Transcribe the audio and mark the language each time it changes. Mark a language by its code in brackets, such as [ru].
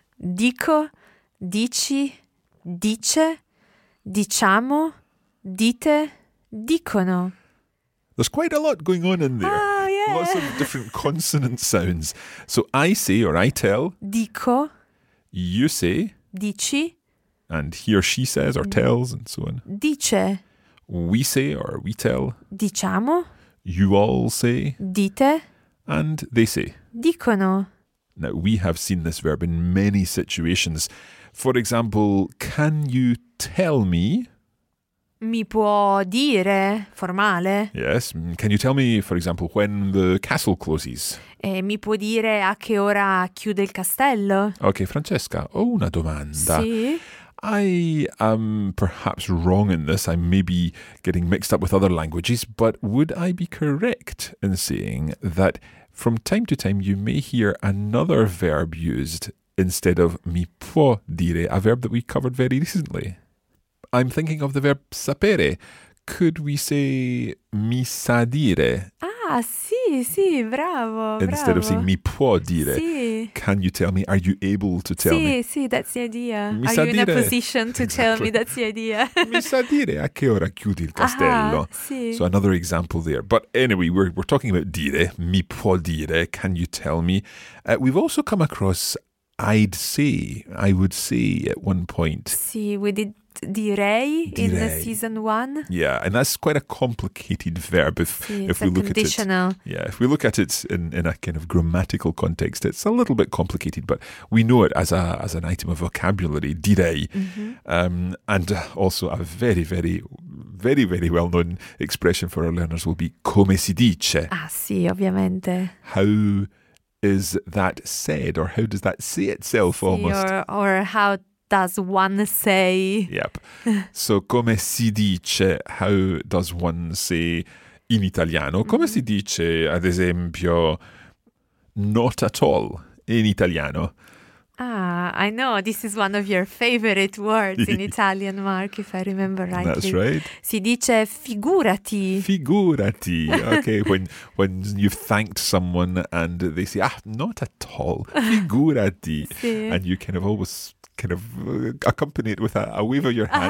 [it] Dico, dici, dice, diciamo, dite, dicono. [en] There's quite a lot going on in there. Lots of different consonant sounds. So I say or I tell. [it] Dico. [en] You say. [it] Dici. [en] And he or she says or tells and so on. [it] Dice. [en] We say or we tell. [it] Diciamo. [en] You all say. [it] Dite. [en] And they say. [it] Dicono. [en] Now we have seen this verb in many situations. For example, can you tell me? [it] Mi può dire, formale. [en] Yes. Can you tell me, for example, when the castle closes? [it] Mi può dire a che ora chiude il castello? Okay, Francesca, ho una domanda. Sì? [en] I am perhaps wrong in this. I may be getting mixed up with other languages, but would I be correct in saying that from time to time you may hear another verb used instead of mi può dire, a verb that we covered very recently? I'm thinking of the verb sapere. Could we say [it] mi sa dire? Ah, sì, sì, bravo. [en] Instead [it] bravo. [en] Of saying [it] mi può dire. Sì. [en] Can you tell me? Are you able to tell [it] sì, [en] me? Sì, sì, that's the idea. [it] Mi [en] Are [it] sa [en] you [it] dire? [en] In a position to exactly. tell me? That's the idea. [it] Mi sa dire a che ora chiudi il castello. Aha, sì. [en] So another example there. But anyway, we're talking about dire. [it] Mi può dire. [en] Can you tell me? We've also come across I'd say. I would say at one point. Sì, we did. Direi in season one. Yeah, and that's quite a complicated verb if, [it] sì, [en] if we look conditional. At it. Yeah, if we look at it in a kind of grammatical context, it's a little bit complicated, but we know it as an item of vocabulary, direi. Mm-hmm. And also a very, very, very, very well-known expression for our learners will be [it] come si dice. Ah, sì, ovviamente. [en] How is that said, or how does that say itself [it] sì, [en] almost? Or how... Does one say? Yep. So, [it] come si dice, [en] how does one say in italiano? [it] Come si dice, ad esempio, [en] not at all [it] in italiano? [en] Ah, I know. This is one of your favorite words in Italian, Mark, if I remember rightly. That's right. [it] Si dice figurati. Figurati. [en] Okay, when you've thanked someone and they say, ah, not at all. [it] Figurati. Sì. [en] And you kind of always kind of accompany it with a wave of your hand.